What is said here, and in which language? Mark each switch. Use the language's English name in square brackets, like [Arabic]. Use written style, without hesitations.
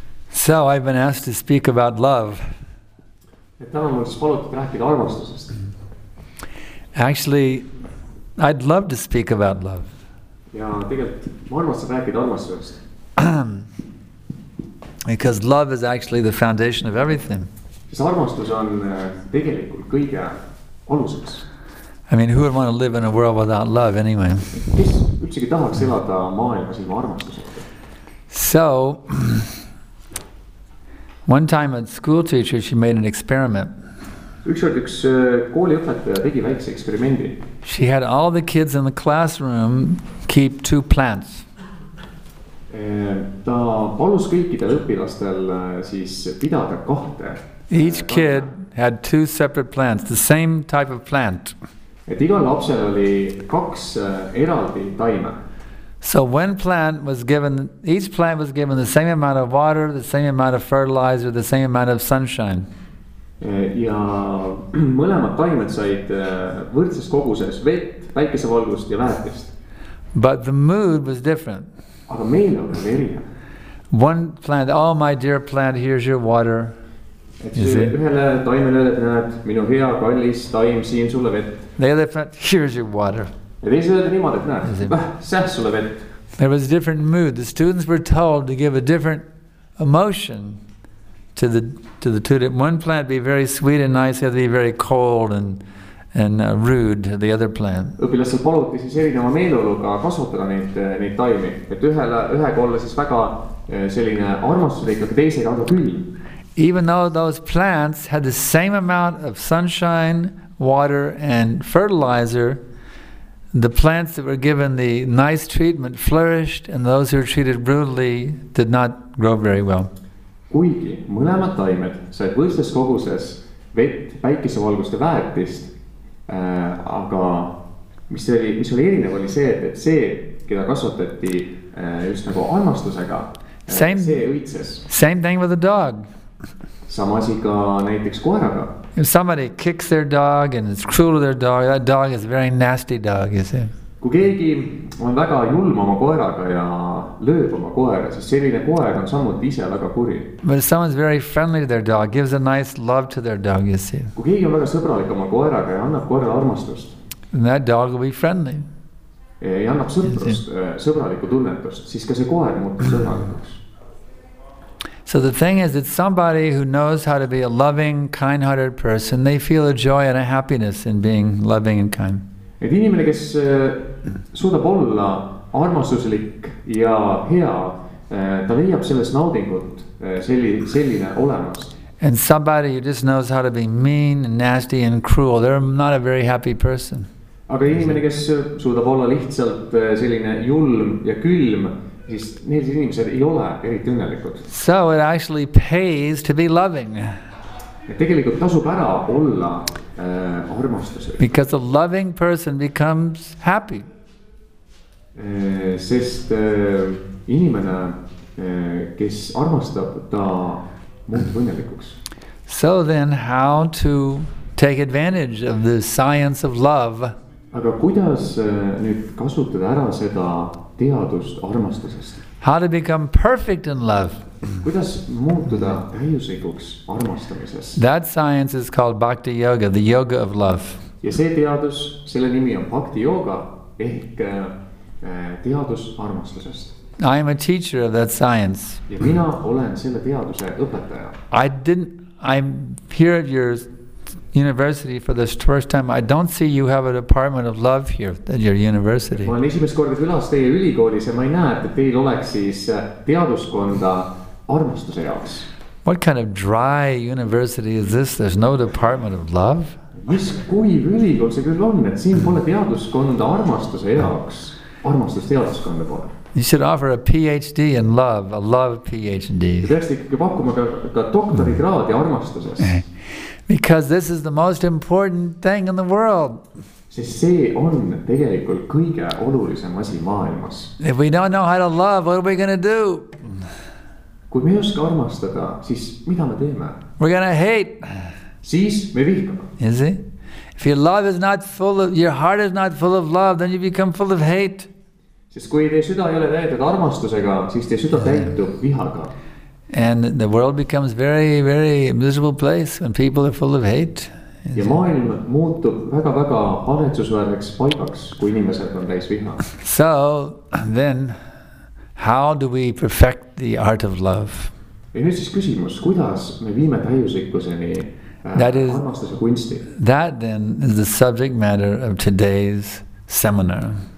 [English] So I've been asked to speak about love. [Estonian] Ja täna ma olen palutud rääkida armastusest. [English] Actually, I'd love to speak about love. [Estonian] Ja tegelikult ma armastan rääkida armastusest. [English] Because love is actually the foundation of everything. [Estonian] Sest armastus on tegelikult kõige aluseks. [English] I mean, who would want to live in a world without love anyway? [Estonian] Kes üldsegi tahaks elada maailmas ilma armastuseta? [English] So, one time a school teacher, she made an experiment. [Estonian] Üks kooli õpetaja tegi väikse eksperimendi. [English] She had all the kids in the classroom keep two plants. [Estonian] Ta palus kõikidel õpilastel siis pidada kahte. [English] Each kid had two separate plants, the same type of plant. [Estonian] Et igal lapsel oli kaks eraldi taime. [English] So one plant was given, each plant was given the same amount of water, the same amount of fertilizer, the same amount of sunshine. [Estonian] Ja mõlemad taimed said võrdses koguses vett, päikese valgust ja väetist. [English] But the mood was different. [Estonian] Aga meil on erinev. [English] One plant, oh my dear plant, here's your water. [Estonian] Ühele taimele näed, minu hea kallis taim, siin sulle vett. [English] The other plant, here's your water. There was a different mood. The students were told to give a different emotion to the two. One plant be very sweet and nice, the other be very cold and rude to the other plant. [Estonian] Õpilased paluti siis erineva meeleoluga kasvatada neid taimi. Et ühega olla siis väga selline armastuslik, aga teisega väga külm. [English] Even though those plants had the same amount of sunshine, water and fertilizer, the plants that were given the nice treatment flourished, and those who were treated brutally did not grow very well. [Estonian] Kuigi mõlemad taimed said võrdses koguses vett, päikese valgust ja väetist, aga mis oli erinev oli see, et see, keda kasvatati just nagu armastusega, see õitses. [English] Same thing with the dog. [Estonian] Sama asi ka näiteks koeraga. [English] If somebody kicks their dog and it's cruel to their dog, that dog is a very nasty dog, you see. [Estonian] Kui keegi on väga julm oma koeraga ja lööb oma koera, siis selline koer on samuti ise väga kuri. [English] But if someone's very friendly to their dog, gives a nice love to their dog, you see. [Estonian] Kui keegi on väga sõbralik oma koeraga ja annab koerale armastust, [English] then that dog will be friendly. [Estonian] Ja annab sõbralikku tunnetust, siis ka see koer muutub sõbralikuks. [English] So the thing is, it's somebody who knows how to be a loving, kind-hearted person. They feel a joy and a happiness in being loving and kind. [Estonian] Et inimene, kes suudab olla armastuslik ja hea, ta leiab sellest naudingut selline olemas. [English] And somebody who just knows how to be mean and nasty and cruel, they're not a very happy person. [Estonian] Aga inimene, kes suudab olla lihtsalt selline julm ja külm, siis need inimesed ei ole eriti õnnelikud. [English] So it actually pays to be loving. [Estonian] Ja tegelikult tasub ära olla armastuslik. [English] Because a loving person becomes happy. [Estonian] Sest inimene, kes armastab, ta muutub õnnelikuks. [English] So then how to take advantage of the science of love? [Estonian] Aga kuidas nüüd kasutada ära seda teadust armastusest? [English] How to become perfect in love? [Estonian] Kuidas muutuda täiuslikuks armastamises? [English] That science is called Bhakti Yoga, the yoga of love. [Estonian] Ja see teadus, selle nimi on Bhakti Yoga, ehk teadus armastusest. [English] I am a teacher of that science. [Estonian] Ja mina olen selle teaduse õpetaja. [English] I'm here at your university for the first time. I don't see you have a department of love here at your university. [Estonian] Ma olen esimest korda külas teie ülikoolis ja ma ei näe, et teil oleks siis teaduskonda armastuse jaoks. [English] What kind of dry university is this? There's no department of love? [Estonian] Mis kuiv ülikool see küll on, et siin pole teaduskonda armastuse jaoks, armastus teaduskonda pole. [English] You should offer a PhD in love, a love PhD. [Estonian] Peaks ikkagi pakkuma ka doktorikraadi armastuses. [English] Because this is the most important thing in the world. [Estonian] See on tegelikult kõige olulisem asi maailmas. [English] If we don't know how to love, what are we going to do? [Estonian] Kui me ei oska armastada, siis mida me teeme? [English] We're going to hate. [Estonian] Siis me vihkame. [English] You see? If your love is not full of, your heart is not full of love, then you become full of hate. [Estonian] Sest kui teie süda ei ole täidud armastusega, siis teie süda täitub vihaga. [English] And the world becomes very, very miserable place when people are full of hate. [Estonian] Ja maailm muutub väga-väga haletsusväärneks paigaks, kui inimesed on täis viha. [English] So, then, how do we perfect the art of love? [Estonian] Ja nüüd siis küsimus, kuidas me viime täiuslikkuseni armastuse kunsti? [English] That, then, is the subject matter of today's seminar.